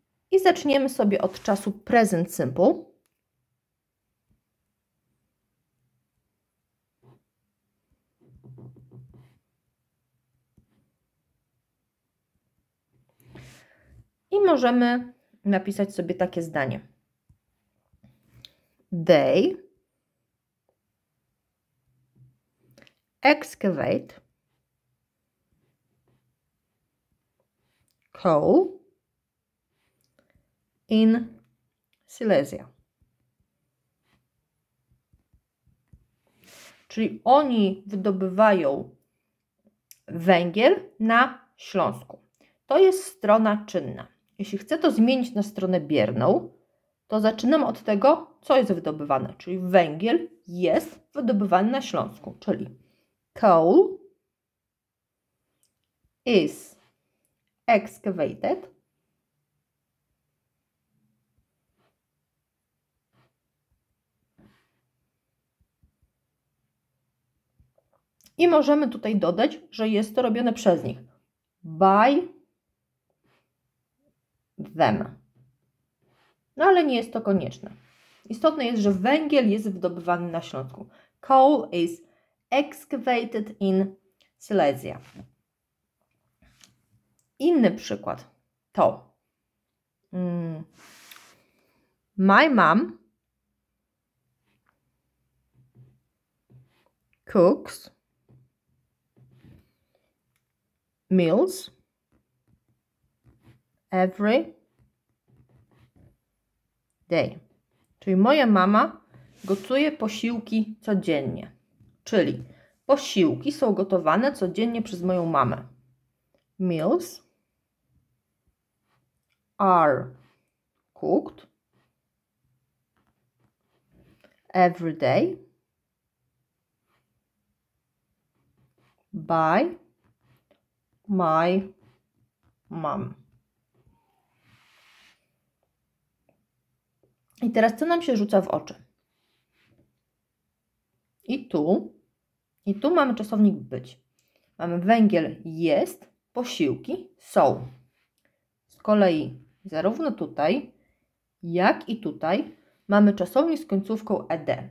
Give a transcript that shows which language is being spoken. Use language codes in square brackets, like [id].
[pl] I zaczniemy sobie od czasu present simple. I możemy napisać sobie takie zdanie. [en] They excavate coal in Silesia. [pl] Czyli oni wydobywają węgiel na Śląsku. To jest strona czynna. Jeśli chcę to zmienić na stronę bierną, to zaczynam od tego, co jest wydobywane. Czyli węgiel jest wydobywany na Śląsku. Czyli [en] coal is excavated [pl] i możemy tutaj dodać, że jest to robione przez nich. [en] By them. [pl] No ale nie jest to konieczne. Istotne jest, że węgiel jest wydobywany na Śląsku. [en] Coal is excavated in Silesia. [pl] Inny przykład to [en] my mom cooks meals every day. [pl] Czyli moja mama gotuje posiłki codziennie. Czyli posiłki są gotowane codziennie przez moją mamę. [en] Meals are cooked every day by my mom. [pl] I teraz co nam się rzuca w oczy? I tu mamy czasownik być. Mamy węgiel jest, posiłki są. Z kolei zarówno tutaj, jak i tutaj mamy czasownik z końcówką ed.